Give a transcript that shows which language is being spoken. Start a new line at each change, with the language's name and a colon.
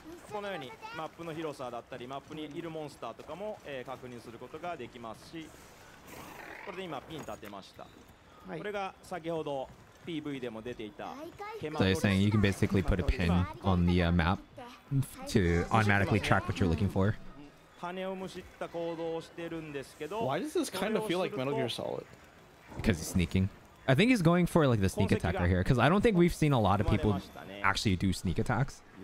Japanese: このようにマップの広さだったりマップにいるモンスターとかも、確認することができますし、これで今ピン立てました、はい、これが先ほど PV でも出ていた
English: ケマトリス。 So you're saying you can basically put a pin on the map to automatically track what you're looking for。
Japanese: 羽をむしった行動をしてるんですけど、
English: Why does this kind of feel like Metal Gear Solid? Because he's sneakingI think he's going for like the sneak attack right here, because I don't think we've seen a lot of people actually do sneak attacks.